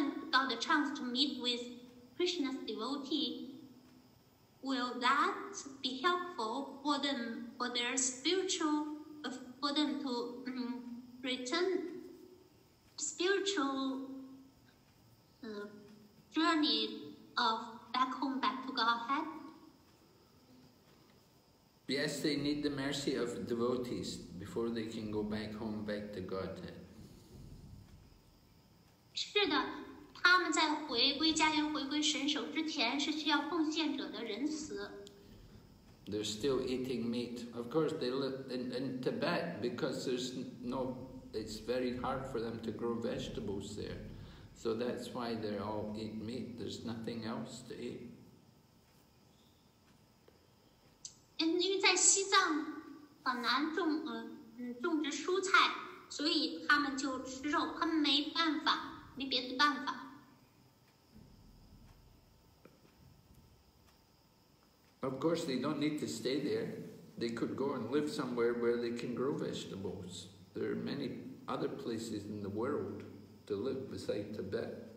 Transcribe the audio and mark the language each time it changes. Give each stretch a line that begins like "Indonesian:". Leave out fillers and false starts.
English: got a chance to meet with Krishna's devotee, will that be helpful for them, for their spiritual, for them to return spiritual journey of back home, back to Godhead? Yes, they need the mercy of devotees before they can go back home, back to Godhead.
Chinese: 是的，他们在回归家园、回归神手之前是需要奉献者的仁慈。
English: They're still eating meat. Of course, they live in Tibet because there's no, it's very hard for them to grow vegetables there. So that's why they all eat meat. There's nothing else to eat.
Chinese: 因为在西藏本来种植蔬菜, 所以他们就吃肉, 他们没办法, 没别的办法。
English: Of course, they don't need to stay there. They could go and live somewhere where they can grow vegetables. There are many other places in the world to live beside Tibet.